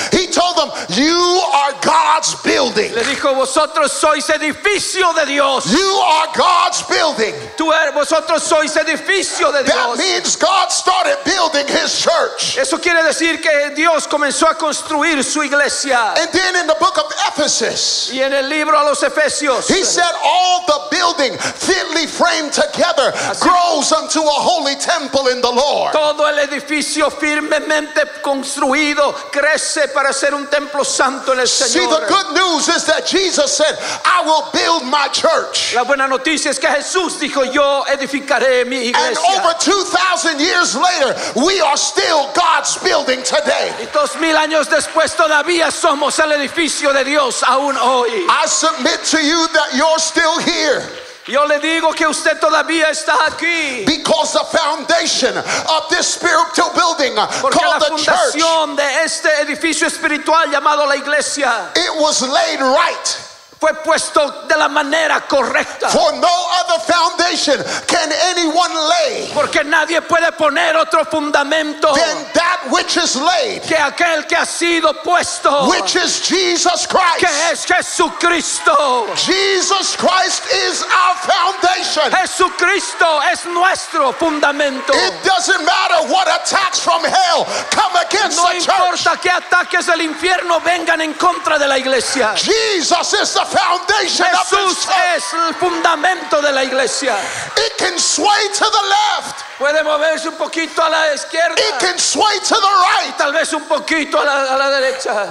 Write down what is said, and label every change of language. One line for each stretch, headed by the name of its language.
English: He told them, "You are God's building."
Spanish: Le dijo, "Vosotros sois edificio de Dios."
English: You are God's building.
Spanish: Tú eres, vosotros sois edificio de Dios.
English: That means God started building his church.
Spanish: Eso quiere decir que Dios comenzó a construir su iglesia.
English: And then in the book of Ephesus.
Spanish: Y en el libro a los Efesios.
English: He said, "All the building fitly framed together grows unto a holy temple in the Lord."
Spanish: Todo el edificio firmemente construido crece para ser un templo santo en el Señor.
English: See, the good news is that Jesus said, "I will build my church."
Spanish: La buena noticia es que Jesús dijo, "Yo edificaré mi iglesia."
English: And over 2,000 years later, we are still God's building today.
Spanish: Y 2,000 años después todavía somos el edificio de Dios aún hoy.
English: I submit to you that you're still here.
Spanish: Yo le digo que usted todavía está aquí.
English: Because the foundation of this spiritual building called the church.
Spanish: Porque la fundación de este edificio espiritual llamado la iglesia.
English: It was laid right.
Spanish: Fue puesto de la manera correcta.
English: For no other foundation can anyone lay.
Spanish: Porque nadie puede poner otro fundamento.
English: Than that which is laid.
Spanish: Que aquel que ha sido puesto.
English: Which is Jesus Christ.
Spanish: Que es Jesucristo.
English: Jesus Christ is our foundation.
Spanish: Jesucristo es nuestro fundamento.
English: It doesn't matter what attacks from hell come against the church.
Spanish: No importa qué ataques del infierno vengan en contra de la iglesia.
English: Jesus is the foundation
Spanish: Jesús
English: of this church.
Spanish: Es el fundamento de la iglesia.
English: It can sway to the left.
Spanish: Puede moverse un poquito a la izquierda.
English: It can sway to the right.
Spanish: Tal vez un poquito a la derecha.